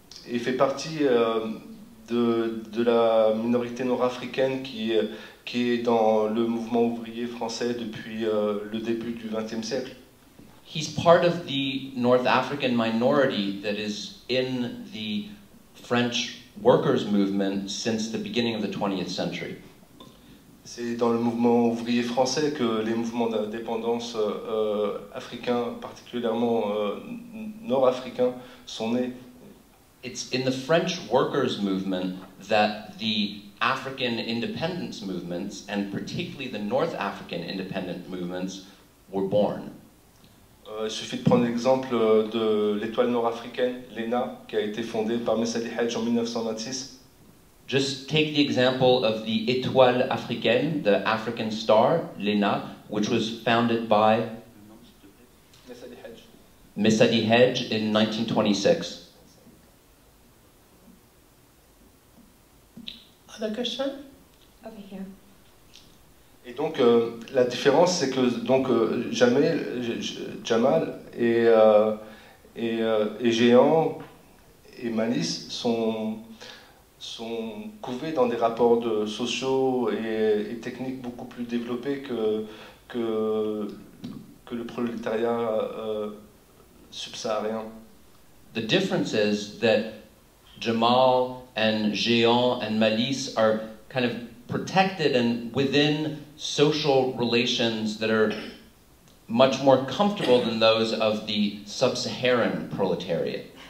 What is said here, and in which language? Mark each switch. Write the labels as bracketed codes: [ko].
[fr] Il fait partie de la minorité nord-africaine qui est dans le mouvement ouvrier français depuis le début du XXe siècle. [en] He's part of the North African minority that is in the French workers' movement since the beginning of the 20th century. [fr] C'est dans le mouvement ouvrier français que les mouvements d'indépendance africains, particulièrement nord-africains, sont nés. [en] It's in the French workers' movement that the African independence movements, and particularly the North African independent movements, were born. [fr] Il suffit de prendre l'exemple de l'étoile nord-africaine, l'ENA, qui a été fondée par Messali Hedge en 1926. [en] Just take the example of the étoile africaine, the African star, l'ENA, which was founded by Messali Hedge in 1926. Other question? Over here. [fr] Et donc, la différence, c'est que donc, Jamal et Géant et Malice sont couvés dans des rapports de sociaux et techniques beaucoup plus développés que le prolétariat subsaharien. [en] The difference is that Jamal and Géant and Malice are kind of protected and within social relations that are much more comfortable than those of the sub-Saharan proletariat.